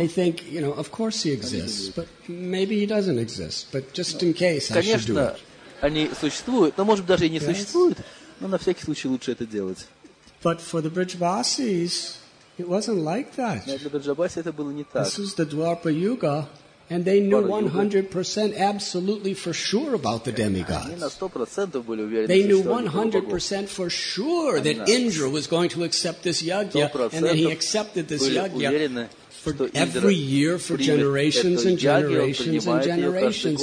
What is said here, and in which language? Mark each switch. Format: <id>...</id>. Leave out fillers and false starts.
<en>they think, you know, of course he exists, but maybe he doesn't exist, but just in case,</en> <ru>конечно,</ru> <en>I should do it.</en> <ru>Они существуют, но может даже и не существуют, но на всякий случай лучше это делать.</ru> <en>But for the Brijvasis, it wasn't like that. This is the Dwapara Yuga, and they knew 100% absolutely for sure about the demigods. They knew 100% for sure that Indra was going to accept this yagya, and then he accepted this yagya for every year for generations and generations and generations.</en>